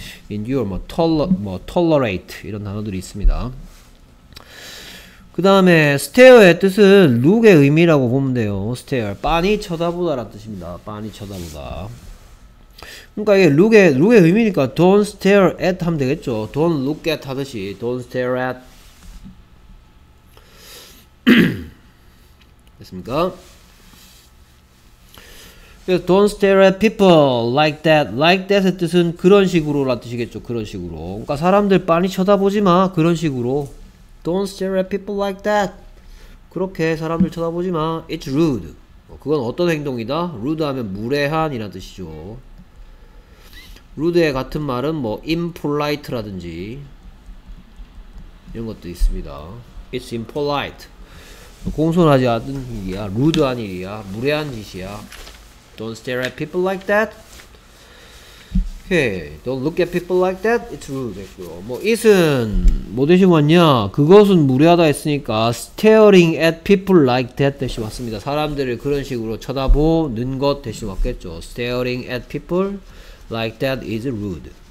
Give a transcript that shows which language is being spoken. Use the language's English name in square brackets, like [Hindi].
[Korean] endure, 뭐 tolerate 이런 단어들이 있습니다. 그다음에 stare의 뜻은 look의 의미라고 보면 돼요. stare, 빤히 쳐다보다라는 뜻입니다. 빤히 쳐다보다. 그러니까 이게 룩의 의미니까 don't stare at 하면 되겠죠. [English] don't look at 하듯이 don't stare at 됐습니까? 그래서 don't stare at people like that. [Korean] like that의 뜻은 그런 식으로라는 뜻이겠죠. 그런 식으로. 그러니까 사람들 빤히 쳐다보지 마. 그런 식으로. [English] don't stare at people like that. [Korean] 그렇게 사람들 쳐다보지 마. [English] it's rude. [Korean] 그건 어떤 행동이다? rude 하면 무례한이라는 뜻이죠. 루드의 같은 말은 뭐 impolite라든지 이런 것도 있습니다. [English] It's impolite. [Korean] 공손하지 않은 일이야. 루드한 일이야. 무례한 짓이야. [English] Don't stare at people like that. Okay. Don't look at people like that. It's rude. [Korean] 뭐 it은 뭐 대신 왔냐? 그것은 무례하다 했으니까 [English] staring at people like that [Korean] 대신 왔습니다. 사람들을 그런 식으로 쳐다보는 것 대신 왔겠죠. [English] Staring at people like that is rude.